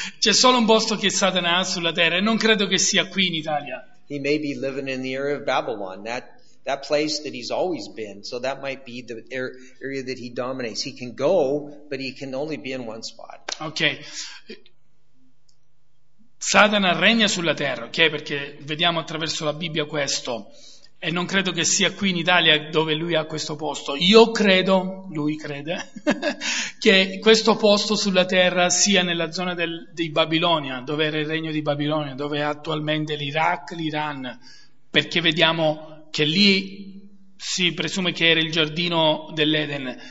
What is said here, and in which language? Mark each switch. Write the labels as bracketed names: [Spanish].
[Italian] C'è solo un posto che Satana ha sulla terra e non credo che sia qui in Italia. [English] He may be living in the area of Babylon, that place that he's always been. So that might be the area that he dominates. He can go, but he can only be in one spot. Okay. [Italian] Satana regna sulla terra, ok? Perché vediamo attraverso la Bibbia questo, e non credo che sia qui in Italia dove lui ha questo posto. Io credo, lui crede, che questo posto sulla terra sia nella zona di Babilonia, dove era il regno di Babilonia, dove è attualmente l'Iraq, l'Iran, perché vediamo che lì si presume che era il giardino dell'Eden.